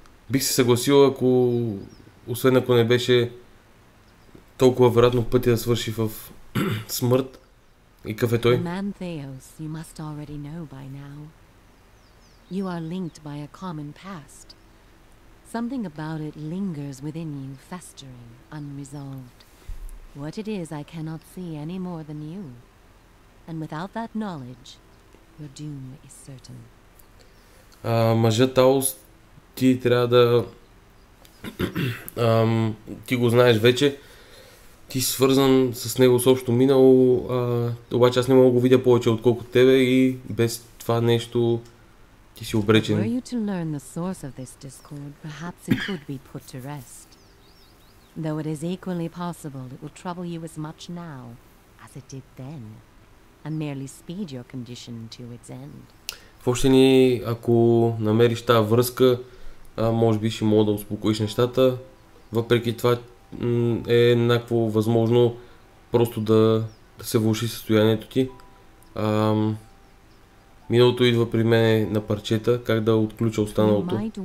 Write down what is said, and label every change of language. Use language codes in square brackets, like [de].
[bg] Бих се съгласил, ако освен ако не беше толкова вероятно пътя да свърши в смърт. И какъв е той? [en] Man Theos, you must already know by now. You are linked by a common past. Something about it lingers within you, festering, unresolved. What it is, I cannot see any more than you. And without that knowledge, your doom is certain. [bg] Мъжът Таос, ти трябва да... ти го знаеш вече. Ти си свързан с него с общо минало. Обаче аз не мога да го видя повече отколкото тебе и без това нещо... Ти си обречен. [en] Were you to learn the source of this discord, perhaps it could be put to rest. Though it is equally possible it will trouble you as much now as it did then, and merely speed your condition to its end. [bg] Въобще ни, ако намериш тази връзка, може би ще мога да успокоиш нещата. Въпреки това е еднакво възможно просто да се влуши състоянието ти. Миналото идва при мене на парчета, как да отключа останалото.